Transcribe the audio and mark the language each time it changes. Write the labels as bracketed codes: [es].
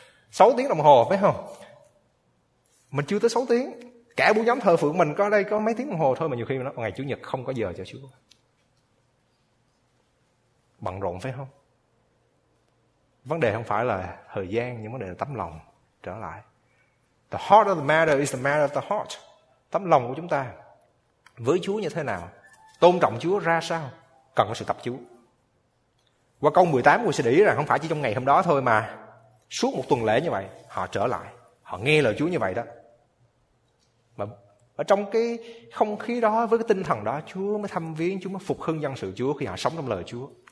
[vi] 6 tiếng đồng hồ, phải không? Mình chưa tới 6 tiếng. Cả buổi nhóm thờ phượng mình có đây có mấy tiếng đồng hồ thôi, mà nhiều khi nó ngày Chủ nhật không có giờ cho Chúa. Bận rộn, phải không? Vấn đề không phải là thời gian, nhưng vấn đề là tấm lòng. Trở lại, [en] the heart of the matter is the matter of the heart. [vi] Tấm lòng của chúng ta với Chúa như thế nào, tôn trọng Chúa ra sao, cần có sự tập chú. Qua câu 18 mình sẽ để ý rằng không phải chỉ trong ngày hôm đó thôi, mà suốt một tuần lễ như vậy họ trở lại, họ nghe lời Chúa như vậy đó. Mà ở trong cái không khí đó, với cái tinh thần đó, Chúa mới thăm viếng, Chúa mới phục hưng dân sự Chúa khi họ sống trong lời Chúa.